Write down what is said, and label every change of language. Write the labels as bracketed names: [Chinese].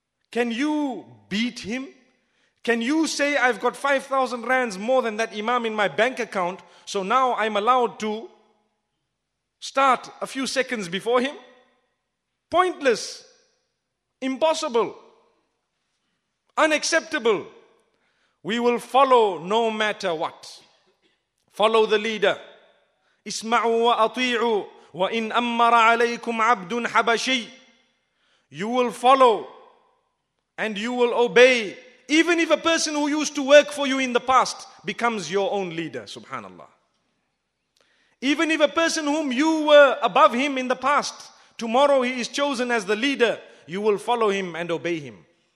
[English] Can you beat him? Can you say, I've got 5,000 rands more than that imam in my bank account, so now I'm allowed to start a few seconds before him? Pointless. Impossible. Unacceptable. We will follow no matter what. Follow the leader. [Arabic] اسمعوا وأطيعوا وإن أمر عليكم عبد حبشي. [English] You will follow and you will obey, even if a person who used to work for you in the past becomes your own leader. Subhanallah. Even if a person whom you were above him in the past, tomorrow he is chosen as the leader, you will follow him and obey him.